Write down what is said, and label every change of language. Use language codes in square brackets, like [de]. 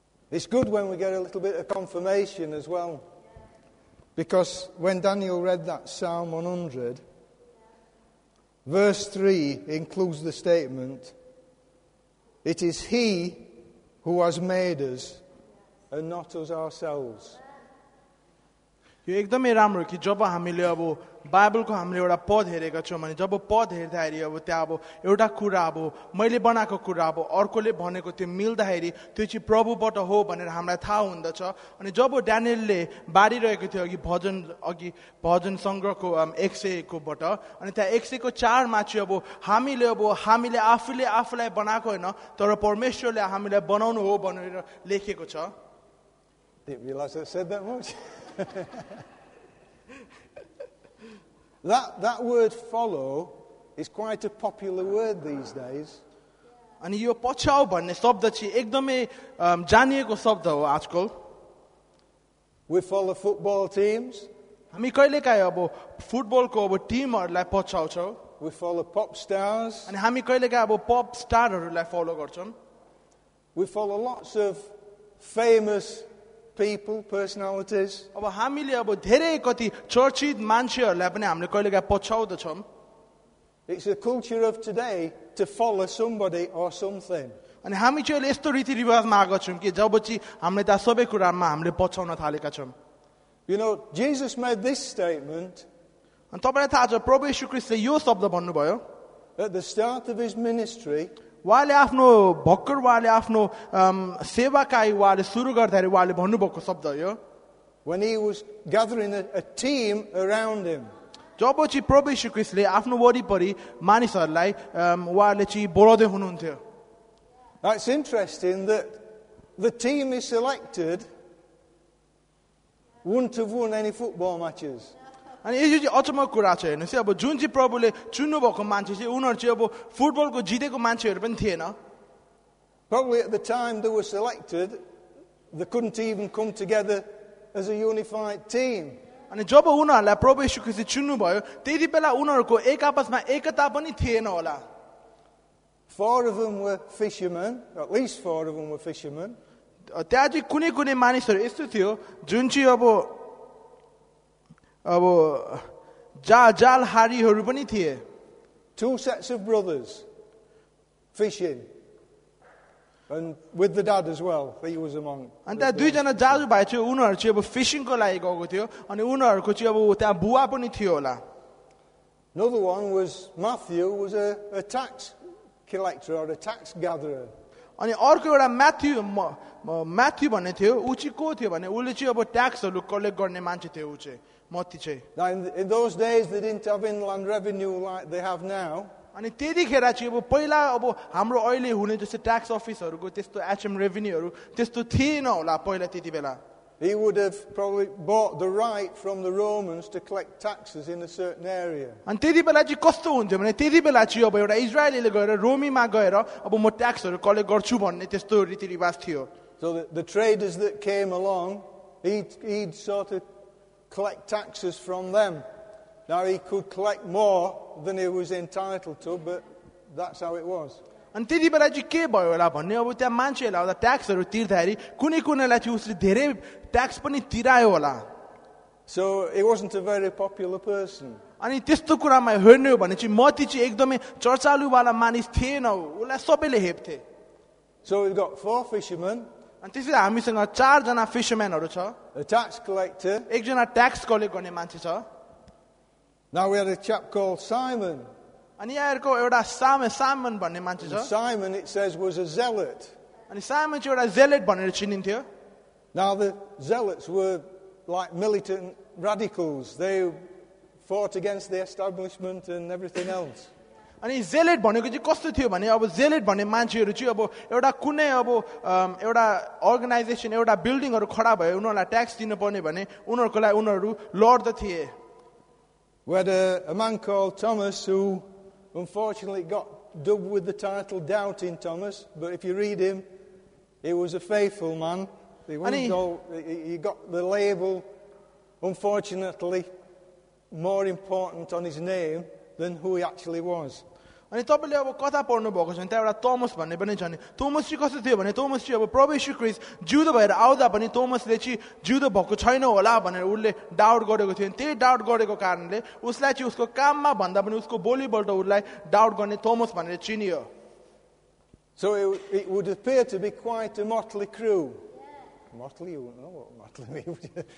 [en] It's good when we get a little bit of confirmation as well. Because when Daniel read that Psalm 100, verse 3 includes the statement, it is He who has made us and not us ourselves. [ne] यो एकदमै राम्रो कि जब हामीले अब बाइबलको हामीले एउटा पद हेरेका छौँ अनि जब पद हेर्दाखेरि अब त्यहाँ अब एउटा कुरा अब मैले बनाएको कुरा अब अर्कोले भनेको त्यो मिल्दाखेरि त्यो चाहिँ प्रभुबाट हो भनेर हामीलाई थाहा हुँदछ अनि जब ड्यानियलले बारिरहेको थियो अघि भजन सङ्ग्रहको 100 अनि त्यहाँ 104 चाहिँ अब हामीले आफूले आफूलाई बनाएको होइन तर परमेश्वरले हामीलाई बनाउनु हो भनेर लेखेको छ. [en] Didn't realize I said that much. That word follow is quite a popular word these days. [ne] अनि यो पछ्याउ भन्ने शब्द चाहिँ एकदमै जानिएको शब्द हो आजकल. [en] We follow football teams. [ne] हामी कहिलेकाहीँ अब फुटबलको अब टिमहरूलाई पछ्याउँछौँ. [en] We follow pop stars. [ne] अनि हामी कहिलेकाहीँ अब पप स्टारहरूलाई फलो गर्छौँ. [en] We follow lots of famous people, personalities. [ne] अब हामीले अब धेरै कति चर्चित मान्छेहरूलाई पनि हामीले कहिलेकाहीँ पछ्याउँदछौँ. [en] It's a culture of today to follow somebody or something. [ne] अनि हामी चाहिँ अहिले यस्तो रीतिरिवाजमा आएको छौँ कि जब चाहिँ हामीले त्यहाँ सबै कुरामा हामीले पछ्याउन थालेका छौँ. [en] You know, Jesus made this statement. [ne] अनि तपाईँलाई थाहा छ प्रभु यीशु ख्रीष्टले यो शब्द भन्नुभयो. [en] At the start of his ministry, [ne] उहाँले आफ्नो भक्कर उहाँले आफ्नो सेवाकाई उहाँले सुरु गर्दाखेरि उहाँले भन्नुभएको शब्द यो. [en] When he was gathering a team around him. [ne] जब चाहिँ प्रभु यीशु ख्रीष्टले आफ्नो वरिपरि मानिसहरूलाई उहाँले चाहिँ बोलाउँदै हुनुहुन्थ्यो. [en] It's interesting that the team he selected wouldn't have won any football matches. [ne] अनि यो चाहिँ अचम्मक कुरा छ हेर्नुहोस् है अब जुन चाहिँ प्रभुले चुन्नु भएको मान्छे चाहिँ उनीहरू चाहिँ अब फुटबलको जितेको मान्छेहरू पनि थिएन. [en] Probably at the time they were selected, they couldn't even come together as a unified team. [ne] अनि जब उनीहरूलाई प्रभु यीशु ख्रीष्टले चुन्नु भयो त्यति बेला उनीहरूको एक आपसमा एकता पनि थिएन होला. [en] Four of them were fishermen, at least four of them were fishermen. [ne] त्यहाँ चाहिँ कुनै मानिसहरू यस्तो थियो जुन चाहिँ अब जालहारीहरू पनि थिए. [en] Two sets of brothers fishing and with the dad as well, he was among. [ne] अनि त्यहाँ दुईजना दाजुभाइ थियो उनीहरू चाहिँ अब फिसिङको लागि गएको थियो अनि उनीहरूको चाहिँ अब त्यहाँ बुवा पनि थियो होला. [en] Another one was Matthew, was a tax collector or a tax gatherer. [ne] अनि अर्को एउटा म्याथ्यु भन्ने थियो ऊ चाहिँ को थियो भने उसले चाहिँ अब ट्याक्सहरू कलेक्ट गर्ने मान्छे थियो ऊ चाहिँ. [en] In those days they didn't have inland revenue like they have now. [ne] अनि त्यतिखेर चाहिँ अब पहिला अब हाम्रो अहिले हुने जस्तो ट्याक्स अफिसहरूको त्यस्तो एचएम रेभेन्यूहरू त्यस्तो थिएन होला पहिला त्यति बेला. [en] He would have probably bought the right from the Romans to collect taxes in a certain area. [ne] अनि त्यति बेला चाहिँ कस्तो हुन्थ्यो भने त्यति बेला चाहिँ अब एउटा इजरायलीले गएर रोमीमा गएर अब म ट्याक्सहरू कलेक्ट गर्छु भन्ने त्यस्तो रीतिरिवाज थियो. [en] So the traders that came along, he'd sort of collect taxes from them. Now he could collect more than he was entitled to, but that's how it was. [ne] अनि त्यति बेला चाहिँ के भयो होला भन्ने अब त्यहाँ मान्छेहरूलाई आउँदा ट्याक्सहरू तिर्दाखेरि कुनै कुनैलाई चाहिँ उसले धेरै ट्याक्स पनि तिरायो होला. [en] So he wasn't a very popular person. [ne] अनि त्यस्तो कुरामा हेर्ने हो भने चाहिँ मति चाहिँ एकदमै चर्चालुवाला मानिस थिएन उसलाई सबैले हेप्थे. [en] So we've got four fishermen. [ne] अनि त्यसरी हामीसँग चारजना फिसरम्यानहरू छ. [en] A tax collector. [ne] एकजना ट्याक्स कलेक्ट गर्ने मान्छे छ. [en] Now we had a chap called Simon. [ne] अनि यहाँको एउटा साइमन भन्ने मान्छे छ. [en] Simon, it says, was a zealot. [ne] अनि साइमन चाहिँ एउटा जेलेट भनेर चिनिन्थ्यो. [en] Now the zealots were like militant radicals. They fought against the establishment and everything else. [ne] अनि जेलेट भनेको चाहिँ कस्तो थियो भने अब जेलेट भन्ने मान्छेहरू चाहिँ अब एउटा कुनै अब एउटा अर्गनाइजेसन एउटा बिल्डिङहरू खडा भयो उनीहरूलाई ट्याक्स दिनुपर्ने भने उनीहरूको लागि उनीहरू लड्द थिए. [en] Where a man called Thomas, who unfortunately got dubbed with the title Doubting Thomas, but if you read him, he was a faithful man. He got the label, unfortunately, more important on his name than who he actually was. [ne] अनि तपाईँले अब कथा पढ्नुभएको छ भने त्यहाँ एउटा Thomas भन्ने पनि छ नि. थोमस चाहिँ कस्तो थियो भने थोमस चाहिँ अब प्रभु यीशु ख्रीष्ट जिउँदो भएर आउँदा पनि थोमसले चाहिँ जिउँदो भएको छैन होला भनेर उसले डाउट गरेको थियो. त्यही डाउट गरेको कारणले उसलाई चाहिँ उसको काममा भन्दा पनि उसको बोलीबाट उसलाई डाउट गर्ने थोमस भनेर चिनियो. [en] So it would appear to be quite a motley crew. Motley, you know what motley means.